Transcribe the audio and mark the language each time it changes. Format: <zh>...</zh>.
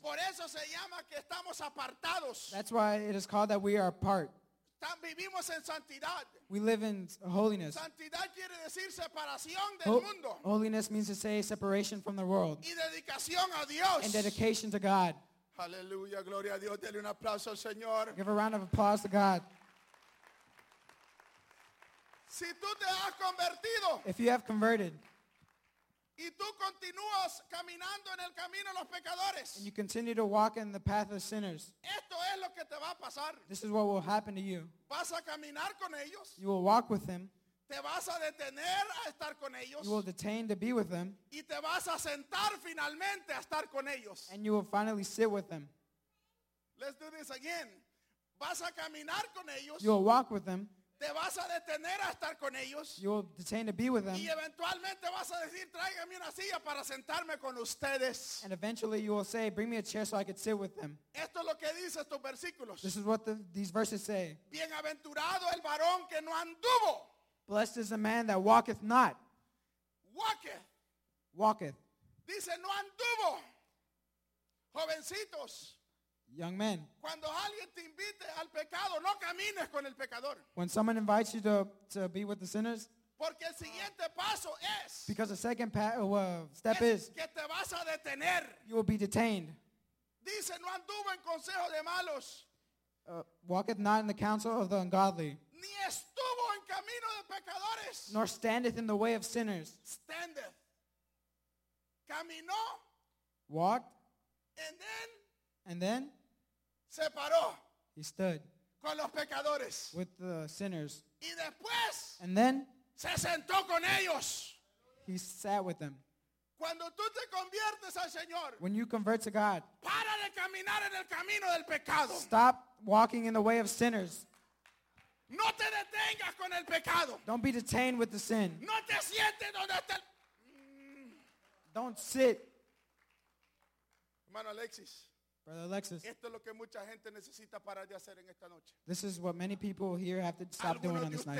<es>Por eso se llama que estamos apartados.</es> <en>That's why it is called that we are apart.</en> <es>Vivimos en santidad.</es> <en>We live in holiness.</en> <es>Santidad quiere decir separación del mundo.</es> <en>Holiness means to say separation from the world.</en> <es>Y dedicación a Dios.</es> <en>And dedication to God.</en> <es>Hallelujah, gloria a Dios, dele un aplauso al Señor.</es> <en>Give a round of applause to God.</en> <es>Si tú te has convertido,</es> <en>if you have converted,</en> <es>y tú continúas caminando en el camino de los pecadores,</es> <en>and you continue to walk in the path of sinners,</en> <es>esto es lo que te va a pasar.</es> <en>This is what will happen to you.</en> <es>Vas a caminar con ellos.</es> <en>You will walk with them.</en> <es>Te vas a detener a estar con ellos.</es> <en>You will detain to be with them.</en> <es>Y te vas a sentar finalmente a estar con ellos.</es> <en>And you will finally sit with them. Let's do this again.</en> <es>Vas a caminar con ellos.</es> <en>You will walk with them.</en> <es>Te vas a detener a estar con ellos.</es> <en>You will detain to be with them.</en> <es>Y eventualmente vas a decir, tráigame una silla para sentarme con ustedes.</es> <en>And eventually you will say, bring me a chair so I could sit with them.</en> <es>Esto es lo que dice estos versículos.</es> <en>This is what these verses say.</en> <es>Bienaventurado el varón que no anduvo.</es> <en>Blessed is the man that walketh not. Walketh. Walketh.</en> <es>Dice, no anduvo. Jovencitos.</es> <en>Young men.</en> <es>Cuando alguien te invite al pecado, no camines con el pecador.</es> <en>When someone invites you to be with the sinners.</en> <es>Porque el siguiente paso es.</es> <en>Because the second step is.</en> <es>Que te vas a detener.</es> <en>You will be detained.</en> <es>Dice, no anduvo en consejo de malos.</es> <en>Walketh not in the counsel of the ungodly.</en> <es>Ni estuvo en camino de pecadores.</es> <en>Nor standeth in the way of sinners.</en> <es>Standeth. Caminó.</es> <en>Walked. And then. And then.</en> <es>Se paró.</es> <en>He stood.</en> <es>Con los pecadores.</es> <en>With the sinners.</en> <es>Y después.</es> <en>And then.</en> <es>Se sentó con ellos.</es> <en>He sat with them.</en> <es>Cuando tú te conviertes al Señor.</es> <en>When you convert to God.</en> <es>Para de caminar en el camino del pecado.</es> <en>Stop walking in the way of sinners.</en> <es>No te detengas con el pecado.</es> <en>Don't be detained with the sin.</en> <es>No te sientes donde está.</es> <en>Don't sit.</en> <es>Hermano Alexis.</es> <en>Brother Alexis.</en> <es>Esto es lo que mucha gente necesita parar de hacer en esta noche.</es> <en>This is what many people here have to stop doing on this night.</en>